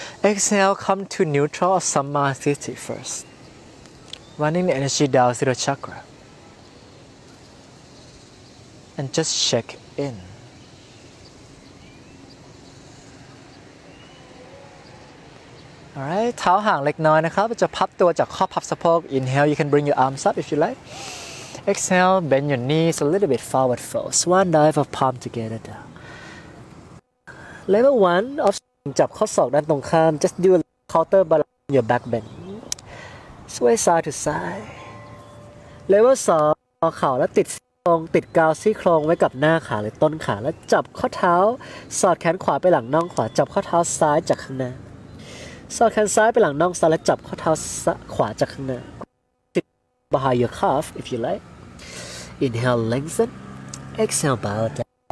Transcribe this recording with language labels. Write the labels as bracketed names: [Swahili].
[English] Exhale. Come to neutral or samasthiti first. Running the energy down through the chakra. And just check in. Alright. [Thai] เท้าห่างเล็กน้อยนะครับจะพับตัวจากข้อพับสะโพก [English] Inhale. You can bring your arms up if you like. Exhale, bend your knees a little bit forward first. One dive of palm together down. Level 1 of [Thai] จับข้อศอกด้านตรงข้าม [English] Just do a counter balance on your back bend. Sway side to side. [Thai] Level 2เข่าและติดตรงติดกาวซี่โครงไว้กับหน้าขาหรือต้นขาและจับข้อเท้าสอดแขนขวาไปหลังน่องขวาจับข้อเท้าซ้ายจากข้างหน้าสอดแขนซ้ายไปหลังน่องซ้ายและจับข้อเท้าขวาจากข้างหน้า [English] Behind your calf, if you like. Inhale, lengthen. Exhale, bow down.